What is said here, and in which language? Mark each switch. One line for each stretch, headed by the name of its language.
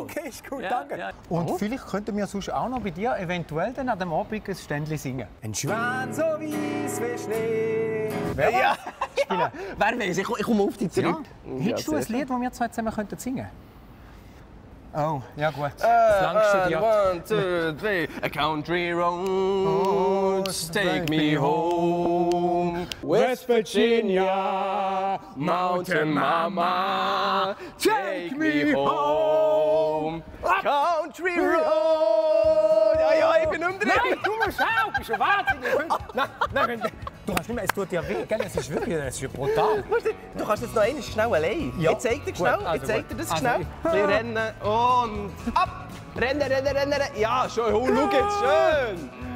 German: Okay, ist gut, danke. Ja. Und vielleicht könnten wir sonst auch noch bei dir eventuell dann an dem Abend ein Ständchen singen. Ein Schwan so weiss wie Schnee. Wer? Ja. Ja. Wer weiß, ich komme auf dich zurück. Ja. Hättest du ein Lied, das wir zwei zusammen könnten singen? Oh, ja gut.
English: One, two, three. A country road, take me home. West Virginia, mountain mama, take me home. Country road.
German: Ja, ich bin umdrehen. Nein, du musst auch, bist du wahnsinnig. Nein. Du kannst nicht mehr, es tut dir weh, gell? Es ist wirklich, es ist brutal. Du kannst jetzt noch einmal schnell allein. Ja. Ich zeig dir schnell, gut, also ich zeig dir das schnell. Wir rennen und ab! Rennen! Ja, schön, schau jetzt, schön!